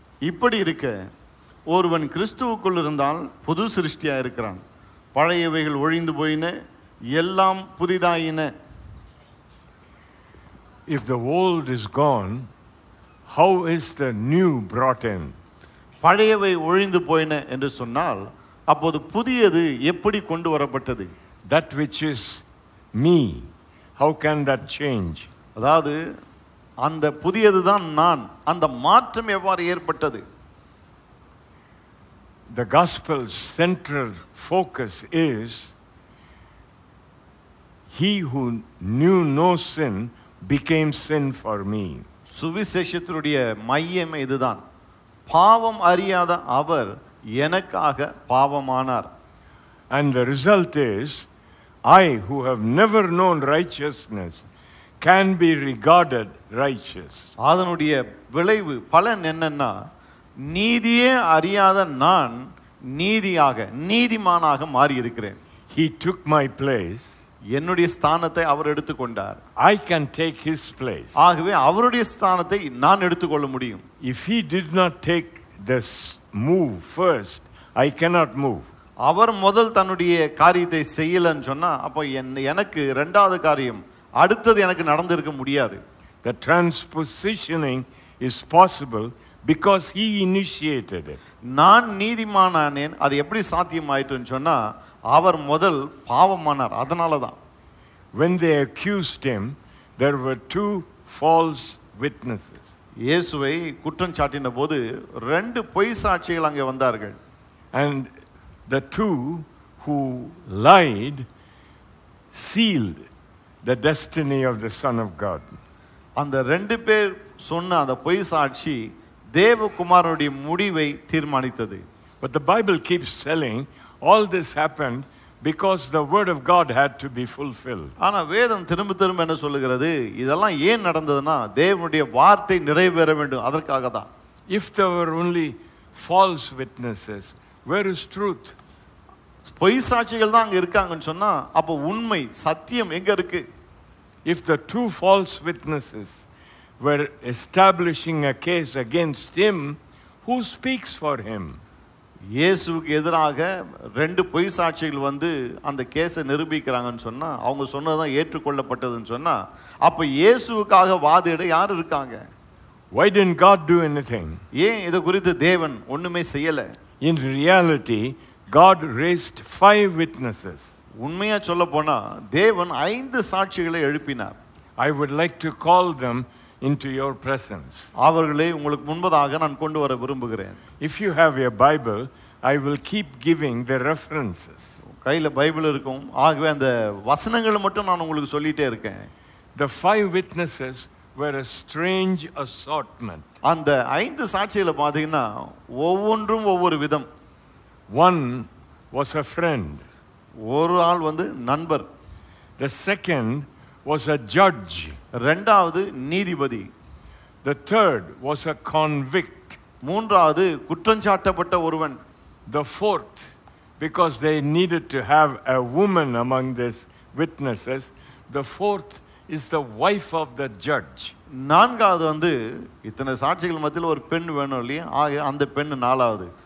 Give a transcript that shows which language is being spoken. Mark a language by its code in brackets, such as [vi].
[ta] இப்படி இருக்க, ஒருவன் கிறிஸ்துவுக்குள் இருந்தால் புது சிருஷ்டியாக இருக்கிறான். பழையவைகள் ஒழிந்து போயின, எல்லாம் புதிதாயின. [en] If the old is gone, how is the new brought in? [ta] பழையவை ஒழிந்து போயின என்று சொன்னால் அப்போது புதியது எப்படி கொண்டு வரப்பட்டது? [en] That which is me, how can that change? [ta] அதாவது அந்த புதியதுதான் நான், அந்த மாற்றம் எவ்வாறு ஏற்பட்டது? [en] The gospel's central focus is he who knew no sin became sin for me. [ta] சுவிசேஷத்தினுடைய மையம் இதுதான், பாவம் அறியாத அவர் எனக்காக பாவமானார். [en] And the result is I who have never known righteousness can be regarded righteous. [ta] அதனுடைய விளைவு பலன் என்னன்னா, நீதியே அறியாத நான் நீதியாக நீதிமானாக மாறி இருக்கிறேன். [en] He took my place. [ta] என்னுடைய ஸ்தானத்தை அவர் எடுத்துக்கொண்டார். [en] I can take his place. [ta] ஆகவே அவருடைய ஸ்தானத்தை நான் எடுத்துக்கொள்ள முடியும். [en] If he did not take this move first, I cannot move. [ta] அவர் முதல் தன்னுடைய காரியத்தை செய்யலன்னு சொன்னா அப்போ எனக்கு இரண்டாவது காரியம், அடுத்தது எனக்கு நடந்திருக்க முடியாது. [en] The transpositioning is possible because he initiated it. [ta] நான் நீதிமானானேன் அது எப்படி சாத்தியமாயிட்டுன்னு சொன்னா, அவர் முதல் பாவமானார் அதனாலதான். [en] When they accused him, there were two false witnesses. [ta] இயேசுவை குற்றம் சாட்டின போது ரெண்டு பொய் சாட்சிகள் அங்கே வந்தார்கள். [en] And the two who lied sealed the destiny of the Son of God. [ta] அந்த ரெண்டு பேர் சொன்ன அந்த பொய் சாட்சி தேவகுமாரனுடைய முடிவை தீர்மானித்தது. [en] But the Bible keeps telling all this happened because the word of God had to be fulfilled. [ta] ஆனா வேதம் திரும்ப திரும்ப என்ன சொல்லுகிறது, இதெல்லாம் ஏன் நடந்ததுனா தேவனுடைய வார்த்தை நிறைவேற வேண்டும் அதற்காக தான். [en] If there were only false witnesses, where is truth? [ta] பொய் சாட்சிகள் தான் அங்க இருக்காங்கன்னு சொன்னா அப்ப உண்மை சத்தியம் எங்க இருக்கு? [en] If the two false witnesses were establishing a case against him, who speaks for him? [ta] இயேசுக்கு எதிராக ரெண்டு பொய் சாட்சிகள் வந்து அந்த கேஸை நிரூபிக்கிறாங்கன்னு சொன்னா, அவங்க சொன்னதுதான் ஏற்றுக்கொள்ளப்பட்டதுன்னு சொன்னா, அப்ப இயேசுக்காக வாதிட யார் இருக்காங்க? [en] Why didn't God do anything? [ta] ஏன் இது குறித்து தேவன் ஒண்ணுமே செய்யல? [en] In reality, God raised 5 witnesses. [ta] உண்மையா சொல்ல போனா தேவன் 5 சாட்சிகளை எழுப்பினார். [en] I would like to call them into your presence. [ta] அவர்களை உங்களுக்கு முன்பதாக நான் கொண்டு வர விரும்புகிறேன். [en] If you have a Bible, I will keep giving the references. [ta] கையில பைபிள் இருக்கும், ஆகவே அந்த வசனங்களை மட்டும் நான் உங்களுக்கு சொல்லிட்டே இருக்கேன். [en] The 5 witnesses were a strange assortment. [ta] அந்த 5 சாட்சிகளை பாத்தீங்கன்னா ஒவ்வொன்றும் ஒவ்வொரு விதம். [en] One was a friend. [ta] ஒரு ஆள் வந்து நண்பர். [en] The second was a judge. [ta] ரெண்டாவது நீதிபதி. [en] The third was a convict. [ta] மூன்றாவது குற்றம் சாட்டப்பட்ட ஒருவன். [en] The fourth, because they needed to have a woman among these witnesses, the fourth is the wife of the judge. [ta] நான்காவது வந்து இத்தனை சாட்சிகள் மத்தியில் ஒரு பெண் வேணும் இல்லையா, ஆக அந்த பெண் நாலாவது.